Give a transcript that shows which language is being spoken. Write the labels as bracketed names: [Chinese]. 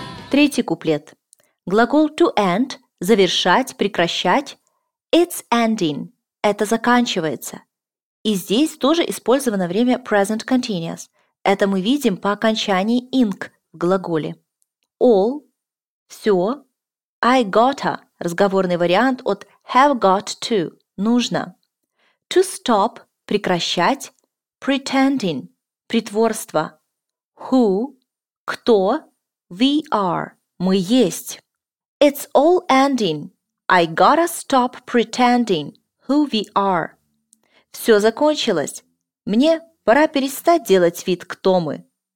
[Russian] Третий куплет. Глагол to end – завершать, прекращать. It's ending – это заканчивается. И здесь тоже использовано время present continuous. Это мы видим по окончании ing в глаголе. All – все. I gotta – разговорный вариант от have got to – нужно. To stop – прекращать. Pretending – притворство. Who – кто. We are. Мы есть. [English] It's all ending. I gotta stop pretending who we are. [Russian] Все закончилось. Мне пора перестать делать вид, кто мы.